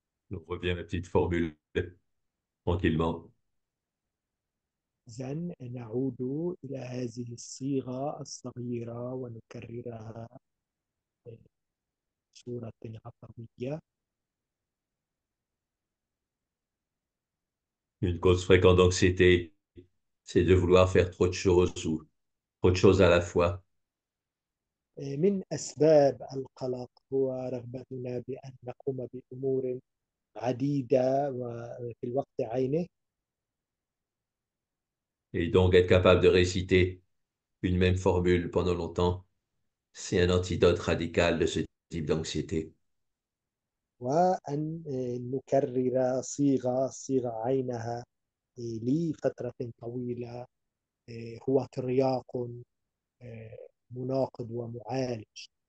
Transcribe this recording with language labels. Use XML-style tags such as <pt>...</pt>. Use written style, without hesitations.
<fr>On revient à la petite formule tranquillement.</fr> <ar>إذن نعود إلى هذه الصيغة الصغيرة ونكررها بصورة عفوية.</ar> <fr>Une cause fréquente d'anxiété, c'est de vouloir faire trop de choses ou trop de choses à la fois.</fr> <ar>من أسباب القلق هو رغبتنا بأن نقوم بأمور عديدة وفي الوقت عينه.</ar> <fr>Et donc, être capable de réciter une même formule pendant longtemps, c'est un antidote radical de ce type d'anxiété.</fr> <ar>وأن نكرر صيغة عينها لفترة طويلة هو ترياق مناقض ومعالج.</ar>